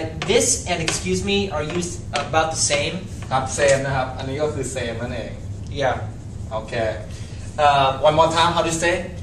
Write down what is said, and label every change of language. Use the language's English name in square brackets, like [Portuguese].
[English] This and excuse me are used about the same. [Thai] ครับ same นะครับอันนี้ก็คือ same นั่นเอง [English] yeah okay one more time how do you say